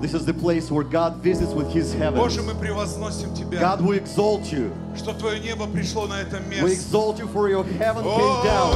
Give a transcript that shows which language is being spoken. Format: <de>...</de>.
<en>This is the place where God visits with His heavens.</en> <ru>Боже, мы превозносим тебя.</ru> <en>God, we exalt you.</en> <ru>Что твое небо пришло на это место.</ru> <en>We exalt you for your heaven came down.</en>